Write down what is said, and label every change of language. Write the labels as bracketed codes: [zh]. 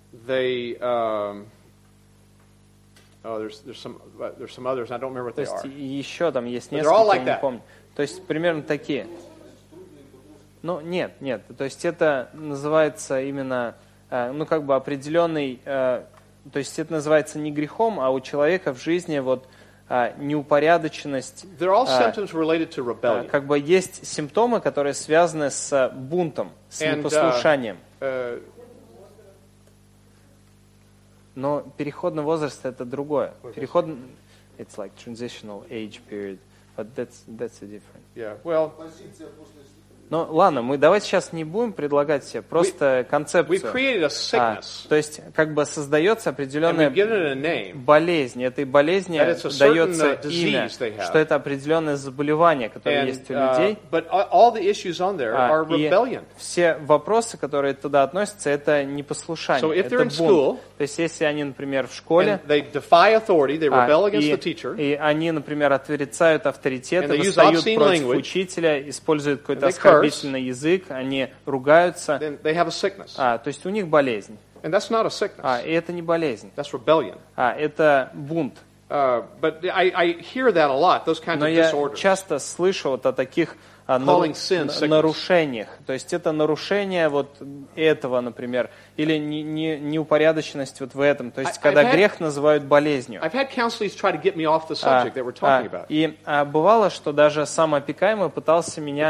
[en] They, there's some others. I don't remember what they are. [ru] То есть еще там есть несколько, я не помню. То есть примерно такие. Ну нет. То есть это называется именно, определенный. То есть это называется не грехом, а у человека в жизни вот неупорядоченность. [en] They're all symptoms related to rebellion. [ru] Как бы есть симптомы, которые связаны с бунтом, с непослушанием. Но переходный возраст это другое. [en] It's like transitional age period, but that's a different. Yeah, well. [ru] Ну ладно, мы давайте сейчас не будем предлагать себе просто концепцию. [en] We've created a sickness. [ru] То есть как бы создается определенная болезнь. Этой болезни дается имя, что это определенное заболевание, которое есть у людей. [en] But all the issues on there are rebellion. [ru] Все вопросы, которые туда относятся, это непослушание. [en] So if they're [ru] это бунт. [en] In school, [ru] то есть если они, например, в школе, [en] and they defy authority, they rebel against the teacher, [ru] и они, например, отрицают авторитет, восстают против [en] language, [ru] учителя, используют какой-то оскорбительный язык, они ругаются. [en] Then they have a sickness. [ru] То есть у них болезнь. [en] And that's not a sickness. [ru] И это не болезнь. [en] That's rebellion. [ru] Это бунт. [en] But I hear that a lot, those kinds [ru] Но [en] of disorders. [ru] Я часто слышу вот о таких [en] Calling sin sickness. [ru] Нарушениях. То есть это нарушение вот этого, например, или неупорядоченность вот в этом. То есть когда грех называют болезнью. [en] I've had counselors try to get me off the subject that we're talking about. [ru] И бывало, что даже сам опекаемый пытался меня